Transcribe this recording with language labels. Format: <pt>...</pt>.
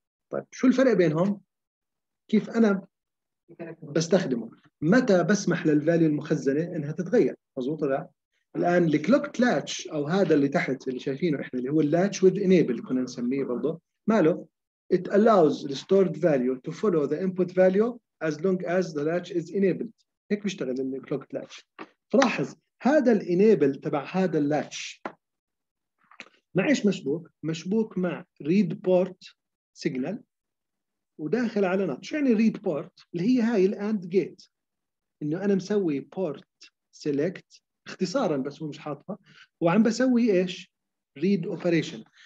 <ar>طيب شو الفرق بينهم؟ كيف انا بستخدمه؟ متى بسمح للفاليو المخزنه انها تتغير؟ مزبوط ولا لا؟ الان الكلوك لاتش او هذا اللي تحت اللي شايفينه احنا اللي هو اللاتش ويد انيبل كنا نسميه برضه، ماله؟</ar> <en>it allows the stored value to follow the input value as long as the latch is enabled.</en> <ar>هيك بيشتغل الـ clock latch. فلاحظ هذا الـ enable تبع هذا الـ latch مع إيش مشبوك؟ مشبوك مع read port signal وداخل على not. شو يعني read port؟ اللي هي هاي الـ AND gate. إنه أنا مسوي port select اختصاراً بس هو مش حاطها وعم بسوي إيش؟ read operation.</ar>